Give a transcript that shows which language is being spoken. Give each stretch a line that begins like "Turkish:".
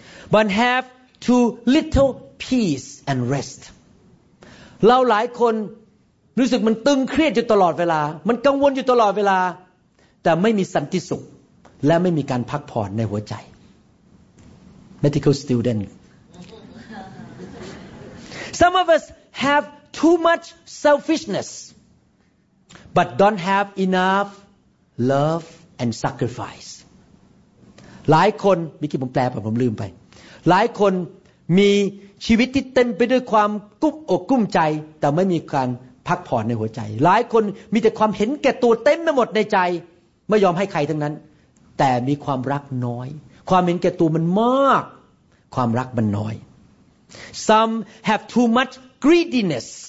English: But have too little peace and rest.
Thai: เราหลายคนรู้สึกมันตึงเครียดอยู่ตลอดเวลามันกังวลอยู่ตลอดเวลาแต่ไม่มีสันติสุขและไม่มีการพักผ่อนในหัวใจ
English: Medical student. Some of us have too much selfishness, but don't have enough love and sacrifice.
Thai: หลายคนมีกี่ผมแปลไปผมลืมไปหลายคนมีชีวิตที่เต็มไปด้วยความกุ้มอกกุ้มใจแต่ไม่มีการพักผ่อนในหัวใจหลายคนมีแต่ความเห็นแก่ตัวเต็มไปหมดในใจไม่ยอมให้ใครทั้งนั้นแต่มีความรักน้อยความเห็นแก่ตัวมันมากความรักมันน้อย
English: Some have too much greediness